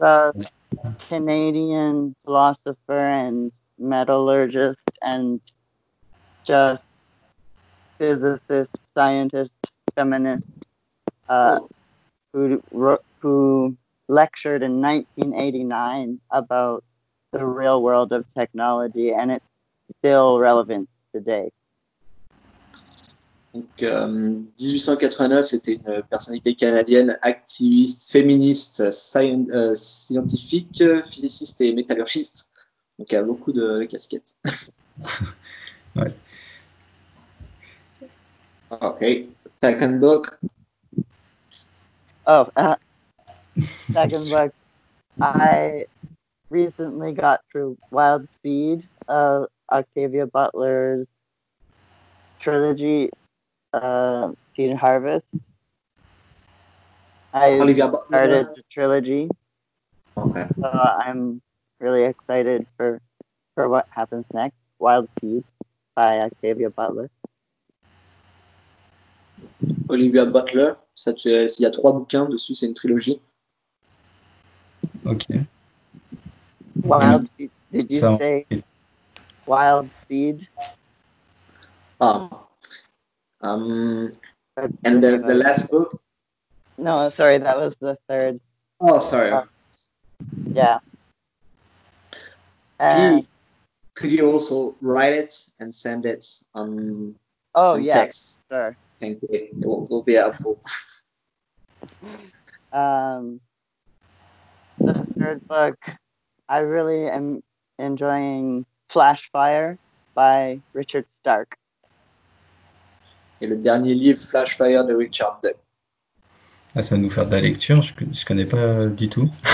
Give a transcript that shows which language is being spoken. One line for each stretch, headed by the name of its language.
English: a Canadian philosopher and metallurgist and just physicist, scientist, feminist, who lectured in 1989 about the real world of technology, and it's still relevant today.
French: Donc, 1889, c'était une personnalité canadienne, activiste, féministe, scientifique, physiciste et métallurgiste. Donc, elle a beaucoup de casquettes. Ouais.
English: Ok. Second book. Second book. recently got through Wild Speed, Octavia Butler's trilogy, Seed and Harvest. I started the trilogy. Okay. So I'm really excited for what happens next. Wild Seed by Octavia Butler.
French: Olivia Butler, ça te, s'il y a trois bouquins dessus, c'est une trilogie. Ok.
English: Wild Seed. Did you say Wild Seed? Ah. And the last book? No, sorry, that was the third. Oh, sorry. Yeah. Could you also write it and send it on text? Oh, yeah, sure. Thank you. It will be helpful. The third book, I really am enjoying Flash Fire by Richard Stark.
French: Et le dernier livre, Flash Fire de Richard Duck. Ah, ça va nous faire de la lecture, je ne connais pas du tout.